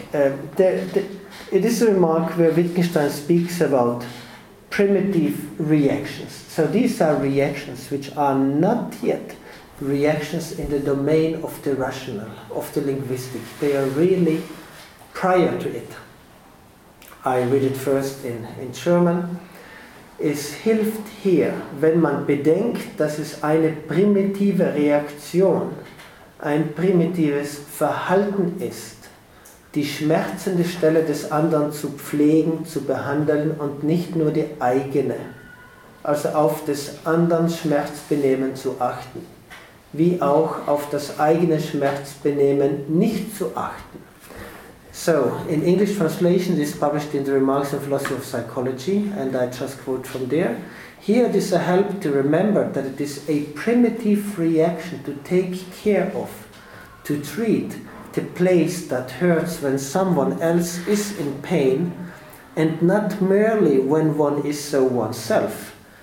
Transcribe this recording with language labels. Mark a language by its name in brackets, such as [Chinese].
[English] It is a remark where Wittgenstein speaks about primitive reactions. So these are reactions which are not yet reactions in the domain of the rational, of the linguistic. They are really prior to it. I read it first in German. [German] Es hilft hier, wenn man bedenkt, dass es eine primitive Reaktion, ein primitives Verhalten ist, die schmerzende Stelle des anderen zu pflegen, zu behandeln und nicht nur die eigene, also auf des anderen Schmerzbenehmen zu achten, wie auch auf das eigene Schmerzbenehmen nicht zu achten. [English] So, in English translation, this is published in the Remarks on Philosophy of Psychology, and I just quote from there. Here it is a help to remember that it is a primitive reaction to take care of, to treat the place that hurts when someone else is in pain, and not merely when one is so oneself.